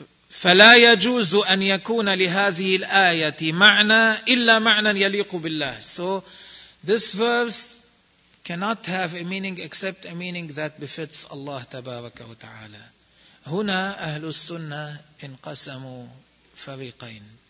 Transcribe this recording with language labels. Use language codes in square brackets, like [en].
[ar] فلا يجوز أن يكون لهذه الآية معنى إلا معنى يليق بالله. [en] So this verse cannot have a meaning except a meaning that befits Allah تبارك وتعالى. [ar] هنا أهل السنة انقسموا فريقين.